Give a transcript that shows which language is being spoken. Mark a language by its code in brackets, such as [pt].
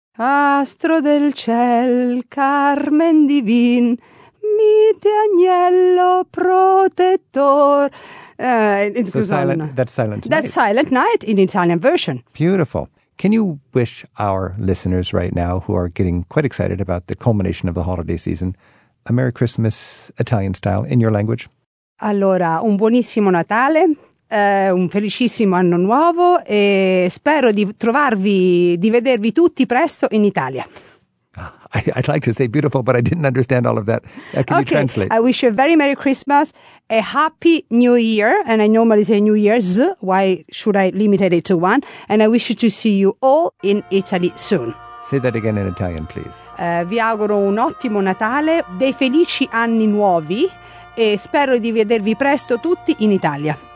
[it] Astro del Ciel, Carmen Divin, Mite Agnello Protettor. [en] That's Silent Night in Italian version. Beautiful. Can you wish our listeners right now, who are getting quite excited about the culmination of the holiday season, a Merry Christmas Italian style in your language? [it] Allora, un buonissimo Natale. Un felicissimo anno nuovo e spero di trovarvi, di vedervi tutti presto in Italia. [en] I'd like to say beautiful, but I didn't understand all of that. Can you translate? I wish you a very Merry Christmas, a Happy New Year, and I normally say New Year's, why should I limit it to one? And I wish you to see you all in Italy soon. Say that again in Italian, please. [it] Vi auguro un ottimo Natale, dei felici anni nuovi e spero di vedervi presto tutti in Italia.